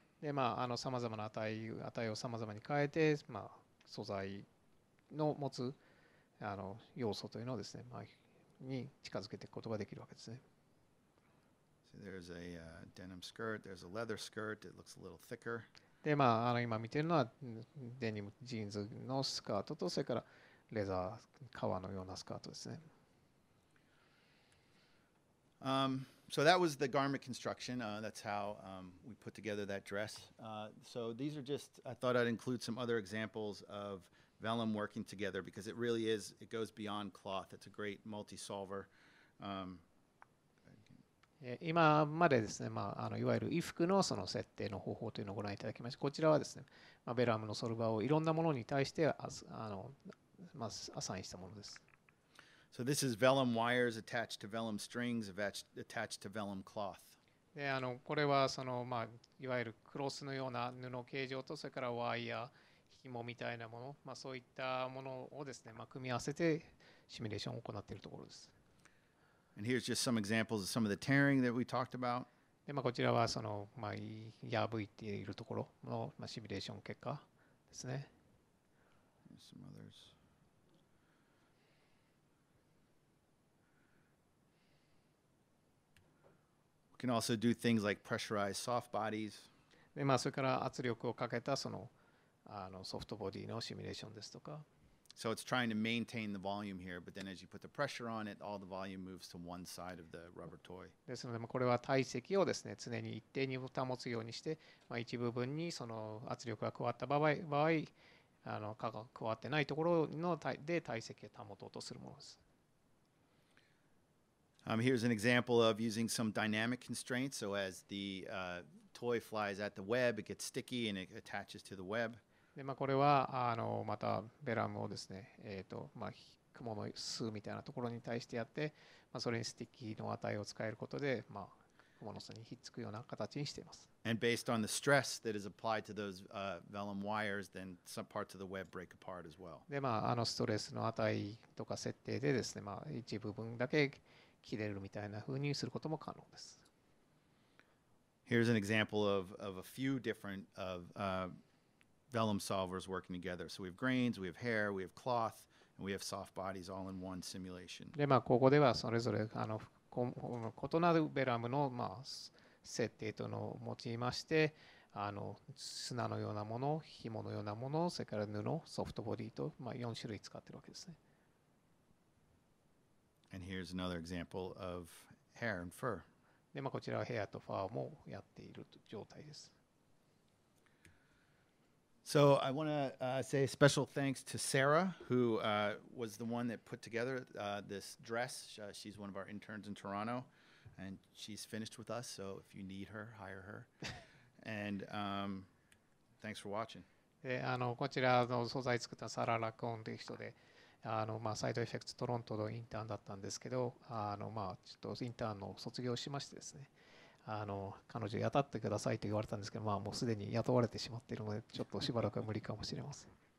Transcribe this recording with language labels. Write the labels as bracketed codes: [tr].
[ja] で、まあ、あの、さまざまな値をさまざまに変えて、まあ、素材の持つあの要素というのをですね、まあ、に近づけていくことができるわけですね。 [en] There's a denim skirt. There's a leather skirt. It looks a little thicker. [ja] で、まあ、あの、今見てるのはデニムジーンズのスカートとそれからレザー革のようなスカートですね。 [en] So that was the garment construction. That's how we put together that dress. So these are just, I thought I'd include some other examples of vellum working together, because it really is, it goes beyond cloth. It's a great multi-solver. [ja] 今までですね、まあ、いわゆる衣服のその設定の方法というのをご覧いただきまして、こちらはですね、まあ、ベラムのソルバーをいろんなものに対してまあ、アサインしたものです。 [en] So this is vellum wires attached to vellum strings attached to vellum cloth. [ja] で、これはその、まあ、いわゆるクロスのような布形状と、それからワイヤー、紐みたいなもの、まあ、そういったものをですね、まあ、組み合わせてシミュレーションを行っているところです。 [en] And here's just some examples of some of the tearing that we talked about. [ja] で、まあ、こちらはその、まあ、破いているところの、まあ、シミュレーション結果ですね。 [en] Some others. We can also do things like pressurized soft bodies. [ja] で、まあ、それから圧力をかけたその、ソフトボディのシミュレーションですとか。 [en] So it's trying to maintain the volume here, but then as you put the pressure on it, all the volume moves to one side of the rubber toy. [ja] ですので、これは体積をですね、常に一定に保つようにして、まあ、一部分にその圧力が加わった場合、加わってないところので体積を保とうとするものです。 [en] Here's an example of using some dynamic constraints. So as the toy flies at the web, it gets sticky and it attaches to the web. [ja] でまあ、これはまたベラムをですね、まあ、蜘蛛の巣みたいなところに対してやって、まあ、それにスティッキーの値を使えることで、まあ、蜘蛛の巣にひっつくような形にしています。 [en] And based on the stress that is applied to those vellum wires, then some parts of the web break apart as well. [ja] で、まあ、ストレスの値とか設定でですね、まあ、一部分だけ切れるみたいな風にすることも可能です。 [en] Here's an example of a few different of, Vellum solvers working together. So we have grains, we have hair, we have cloth, and we have soft bodies all in one simulation. [ja] で、まあ、ここではそれぞれ異なるベラムの、まあ、設定というのを用いまして砂のようなもの、紐のようなもの、それから布、ソフトボディと、まあ、4種類使っているわけですね。 [en] And here's another example of hair and fur. [ja] で、まあ、こちらはヘアとファーもやっている状態です。 [en] So I want to say a special thanks to Sarah, who was the one that put together this dress. She's one of our interns in Toronto, and she's finished with us. So if you need her, hire her. And thanks for watching. [ja] こちらの素材作ったサララコンという人で、まあ、サイドエフェクツトロントのインターンだったんですけど、まあ、ちょっとインターンの卒業しましてですね。彼女雇ってくださいと言われたんですけど、まあ、もうすでに雇われてしまっているのでちょっとしばらくは無理かもしれません。